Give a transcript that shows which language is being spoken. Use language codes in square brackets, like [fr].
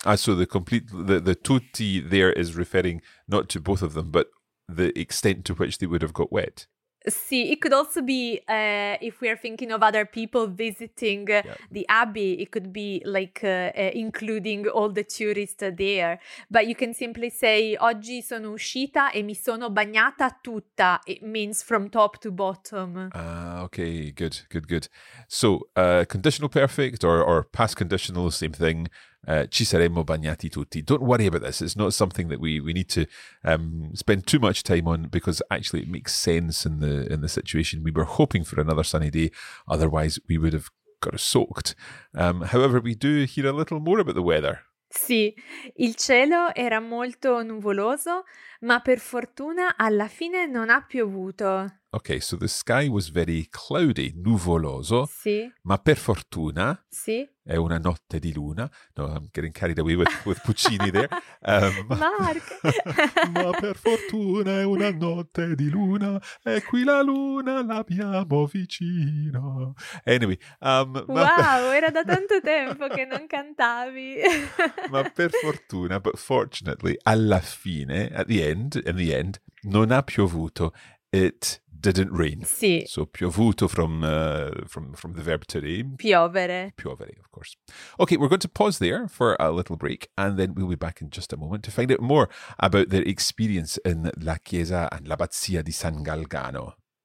[en] So the tutti there is referring not to both of them, but the extent to which they would have got wet. See, it could also be if we are thinking of other people visiting the Abbey, it could be like including all the tourists there. But you can simply say, [it] oggi sono uscita e mi sono bagnata tutta. [en] It means from top to bottom. Okay, good, good, good. So conditional perfect or past conditional, same thing. [it] Ci saremmo bagnati tutti. [en] Don't worry about this. It's not something that we need to spend too much time on, because actually it makes sense in the situation. We were hoping for another sunny day, otherwise we would have got soaked. However, we do hear a little more about the weather. [it] Sì, il cielo era molto nuvoloso, ma per fortuna alla fine non ha piovuto. [en] Okay, so the sky was very cloudy, nuvoloso. [it] Sì. Ma per fortuna. Sì. È una notte di luna. [en] No, I'm getting carried away with Puccini there. Mark. [it] Ma per fortuna è una notte di luna. E qui la luna l'abbiamo vicino. [en] Anyway. [it] Era da tanto tempo che non cantavi. Ma per fortuna, [en] but fortunately, [it] alla fine, [en] at the end, in the end, [it] non ha piovuto. [en] It didn't rain. [it] Sì. [en] So piovuto from the verb to rain. [it] Piovere. [en] Piovere, of course. Okay, we're going to pause there for a little break, and then we'll be back in just a moment to find out more about their experience in la chiesa and l'abbazia di San Galgano.